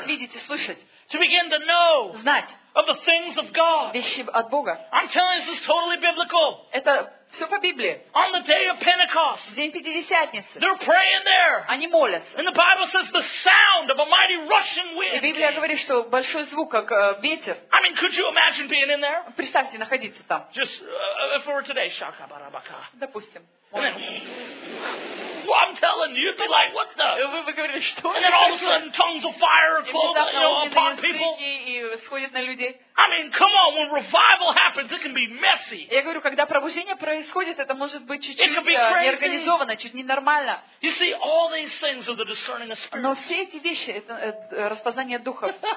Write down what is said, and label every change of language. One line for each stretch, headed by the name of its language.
Russian: видеть и слышать.
English: To begin to know.
Russian: Знать.
English: Of the things of God.
Russian: Вещи от Бога.
English: I'm telling you, this is totally biblical.
Russian: Это все по Библии.
English: On the day of Pentecost.
Russian: В день Пятидесятницы.
English: They're praying there.
Russian: Они молятся.
English: And the Bible says the sound of a mighty rushing wind.
Russian: И Библия говорит, что большой звук, как ветер.
English: I mean, could you imagine being in there?
Russian: Представьте находиться там.
English: Just for today, shaka barabaka.
Russian: Допустим.
English: Well, I'm telling you, you'd be like, what the?
Russian: Вы говорите, что?
English: And then all of a sudden, tongues of fire come, you know, upon people.
Russian: И сходят на людей.
English: I mean, come on, when revival happens, it can be messy.
Russian: Я говорю, когда пробуждение происходит, это может быть чуть-чуть неорганизовано, чуть ненормально.
English: You see, all these things are the discerning of spirits.
Russian: Но все эти вещи — это распознание духов.